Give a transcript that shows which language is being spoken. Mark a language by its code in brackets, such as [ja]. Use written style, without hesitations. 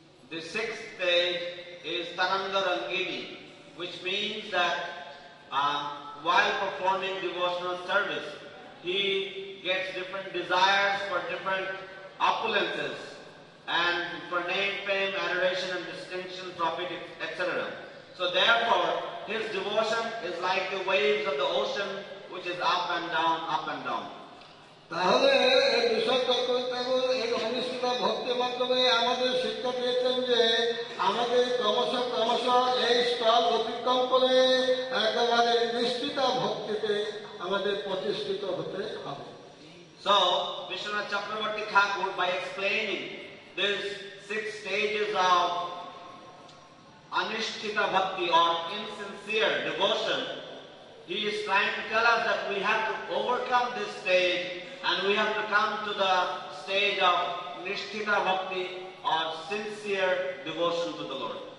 [en] The sixth stage is Taranga Rangini, which means that while performing devotional service, he gets different desires for different opulences and for name, fame, adoration and distinction, profit, etc. So therefore, his devotion is like the waves of the ocean, which is up and down, up and down. [bn] তাহলে এই বিষয়টা এই অনিশ্চিত ভক্তির মাধ্যমে আমাদের শিক্ষা দিয়েছেন যে আমাদের ক্রমশ ক্রমশ এই স্তর অতিক্রম করে একেবারে নিশ্চিত ভক্তিতে আমাদের প্রতিষ্ঠিত হতে হবে। [en] So, Vishwanath Chakravarti Thakur, by explaining these six stages of Anishthita Bhakti or insincere devotion, he is trying to tell us that we have to overcome this stage and we have to come to the stage of Nishthita Bhakti or sincere devotion to the Lord.